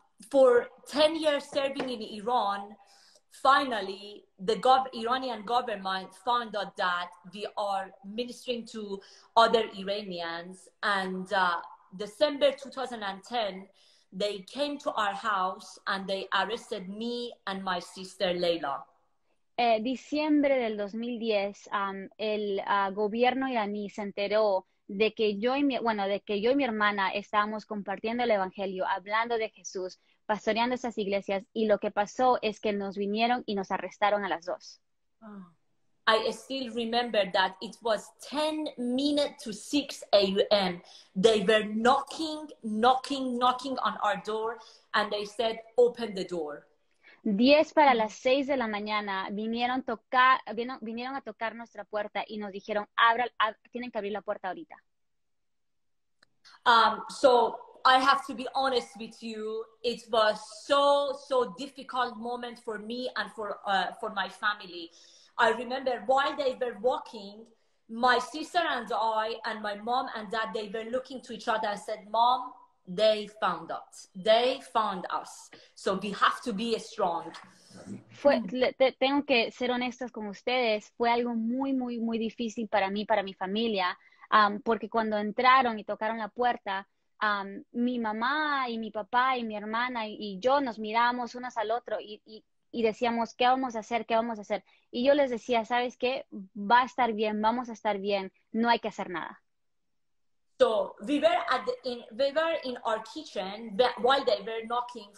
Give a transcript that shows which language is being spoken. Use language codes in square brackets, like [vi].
[en] For 10 years serving in Iran, finally, the Iranian government found out that we are ministering to other Iranians. And December 2010, they came to our house and they arrested me and my sister Leila. [es] Diciembre del 2010, el gobierno iraní se enteró de que yo y de que yo y mi hermana estábamos compartiendo el evangelio, hablando de Jesús, pastoreando esas iglesias, y lo que pasó es que nos vinieron y nos arrestaron a las dos. Oh. [en] I still remember that it was 10 minutes to 6 a.m. They were knocking, knocking, knocking on our door, and they said, "Open the door." [es] 10 para las 6 de la mañana vinieron a tocar nuestra puerta y nos dijeron, tienen que abrir la puerta ahorita. [en] So I have to be honest with you. It was so difficult moment for me and for my family. I remember while they were walking, my sister and I and my mom and dad, they were looking to each other and said, "Mom, they found us. They found us. So we have to be strong." [es] Tengo que ser honestas con ustedes, fue algo muy, muy, muy difícil para mí, para mi familia, porque cuando entraron y tocaron la puerta, mi mamá y mi papá y mi hermana y yo nos mirábamos unos al otro y decíamos, ¿qué vamos a hacer? ¿Qué vamos a hacer? Y yo les decía, ¿sabes qué? Va a estar bien, vamos a estar bien, no hay que hacer nada. [en] So we were in our kitchen while they were knocking.